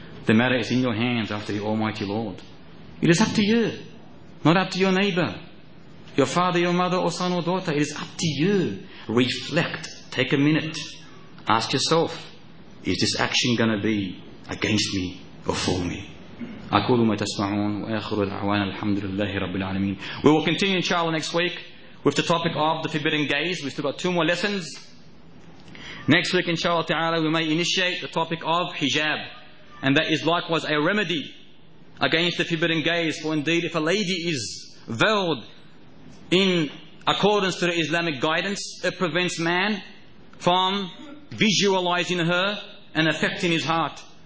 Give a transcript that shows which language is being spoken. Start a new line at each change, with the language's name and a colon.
English: The matter is in your hands after the Almighty Lord. It is up to you, not up to your neighbor, your father, your mother, or son or daughter. It is up to you. Reflect. Take a minute. Ask yourself, is this action going to be against me or for me?
Arabic: أقول ما تسمعون وآخر دعوانا الحمد لله رب العالمين.
English: We will continue inshallah next week with the topic of the forbidden gaze. We still got two more lessons. Next week inshallah ta'ala we may initiate the topic of hijab, and that is likewise a remedy against the forbidden gaze. For indeed if a lady is veiled in accordance to the Islamic guidance, it prevents man from visualizing her and affecting his heart.